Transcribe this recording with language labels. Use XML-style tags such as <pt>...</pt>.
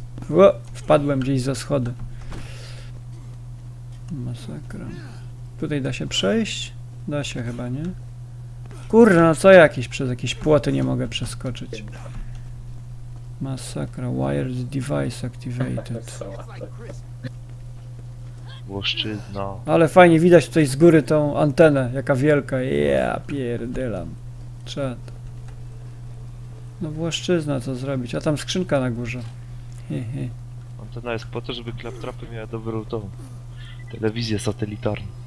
<pl>O, wpadłem gdzieś za schody. Masakra. Tutaj da się przejść? Da się chyba, nie? Kurna, co jakiś? Przez jakieś płoty nie mogę przeskoczyć. Masakra.</pl> <en>Wired device activated.</en> <pl>Włoszczyzna. Ale fajnie widać tutaj z góry tą antenę, jaka wielka. Ja pierdylam. Trzeba to. No Włoszczyzna, co zrobić? A tam skrzynka na górze. Hehe. Antena jest po to, żeby klaptrapy miały dobrą tą telewizję satelitarną.</pl>